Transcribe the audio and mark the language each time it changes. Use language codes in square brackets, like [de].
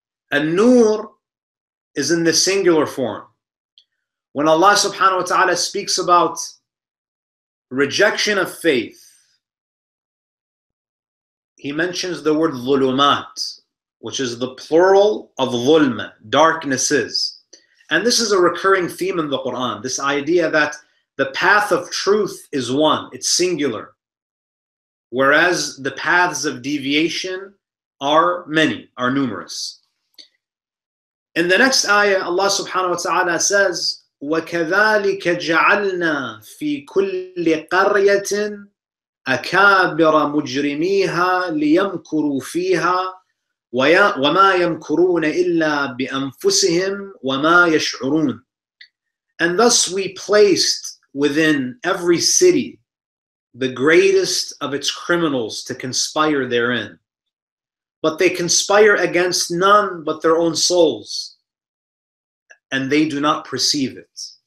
[en] And nur is in the singular form. When Allah subhanahu wa ta'ala speaks about rejection of faith, he mentions the word dhulumat, which is the plural of dhulm, darknesses. And this is a recurring theme in the Quran, this idea that the path of truth is one, it's singular, whereas the paths of deviation are many, are numerous. In the next ayah, Allah subhanahu wa ta'ala says, [ar] وَكَذَلِكَ جَعَلْنَا فِي كُلِّ قَرْيَةٍ أَكَابِرَ مُجْرِمِيهَا لِيَمْكُرُوا فِيهَا وَمَا يَمْكُرُونَ إِلَّا بِأَنفُسِهِمْ وَمَا يَشْعُرُونَ. [en] And thus we placed within every city the greatest of its criminals to conspire therein. But they conspire against none but their own souls, and they do not perceive it.